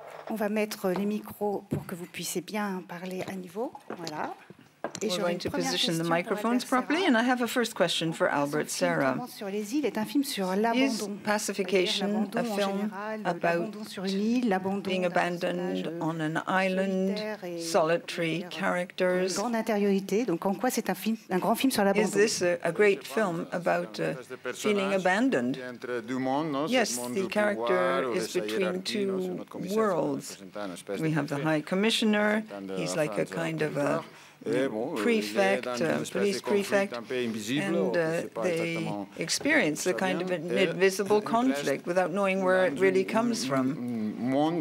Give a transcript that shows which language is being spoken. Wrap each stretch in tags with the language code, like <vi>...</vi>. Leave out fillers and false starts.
<fr>On va mettre les micros pour que vous puissiez bien parler à niveau. Voilà.</fr> <en>Et we're going to position the microphones properly, and I have a first question for Albert Serra.</en> <fr>Sur les îles est un film sur l'abandon.</fr> <en>Is Pacification a film about being abandoned on an island, solitary characters?</en> <fr>Grande intériorité. Donc, en quoi c'est un grand film sur l'abandon?</fr> <en>Is this a great film about feeling abandoned? Yes, the character is between two worlds. We have the High Commissioner. He's like a kind of a prefect, police prefect, and they experience a kind of an invisible conflict without knowing where it really comes from.</en>